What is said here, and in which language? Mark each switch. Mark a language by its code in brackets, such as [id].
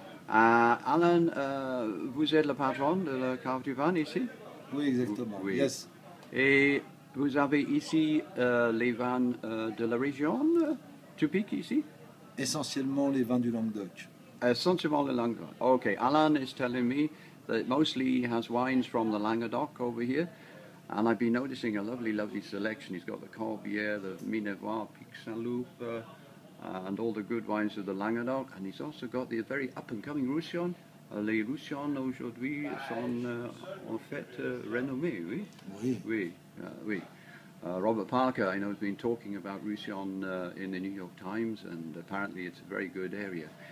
[fr] Alain, vous êtes le patron de la cave du vin ici? Oui, exactement. Oui. [en] Yes. [fr] Et vous avez ici les vins de la région, typiques ici? Essentiellement les vins du Languedoc. Essentiellement le Languedoc. [en] Ok, Alain is telling me that mostly he has wines from the Languedoc over here. And I've been noticing a lovely, lovely selection. He's got the Corbière, the Minervois, Pic Saint-Loup, and all the good wines of the Languedoc, and he's also got the very up-and-coming Roussillon. [fr] Les Roussillons aujourd'hui sont en fait renommés, oui? Oui. Oui, oui. [en] Robert Parker, I know, has been talking about Roussillon in the New York Times, and apparently it's a very good area.